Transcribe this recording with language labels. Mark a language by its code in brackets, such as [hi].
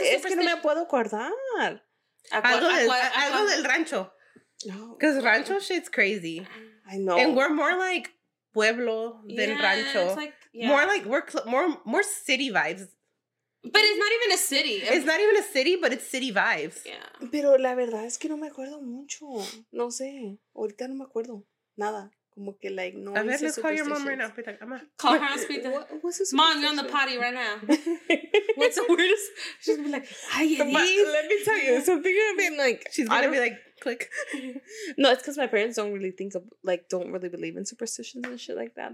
[en] the superstition? [es] Es que no me puedo acordar. Algo del rancho. [en] Because rancho shit's crazy. I know. And we're more like pueblo than rancho. It's like, more like we're more city vibes. But it's not even a city. It's not even a city, but it's city vibes. Yeah. [es] Pero la verdad es que no me acuerdo mucho. No sé. Ahorita no me acuerdo. Nada. Como que, [en] like, [es] no. A ver, [en] let's call your mom right now. Pita, come on. Call her on speed. What's this? Mom, you're on the potty right now. What's the weirdest? She's gonna be like, hi, Eddie. Let me tell you. Something gonna be like, she's gonna be like, click. No, it's because my parents don't really think of, like, don't really believe in superstitions and shit like that.